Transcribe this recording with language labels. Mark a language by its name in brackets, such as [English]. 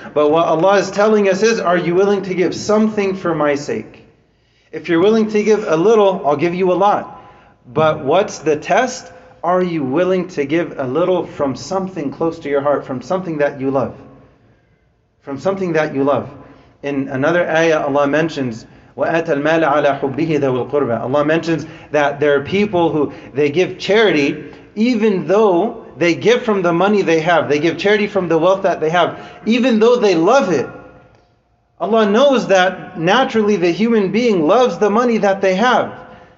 [English] But what Allah is telling us is, are you willing to give something for my sake? If you're willing to give a little, I'll give you a lot. But what's the test? Are you willing to give a little from something close to your heart, from something that you love? From something that you love. In another ayah, Allah mentions, [Arabic] وَآتَ الْمَالَ عَلَىٰ حُبِّهِ ذَوِ الْقُرْبَىٰ. [English] Allah mentions that there are people who, they give charity, even though they give from the money they have. They give charity from the wealth that they have, even though they love it. Allah knows that naturally the human being loves the money that they have.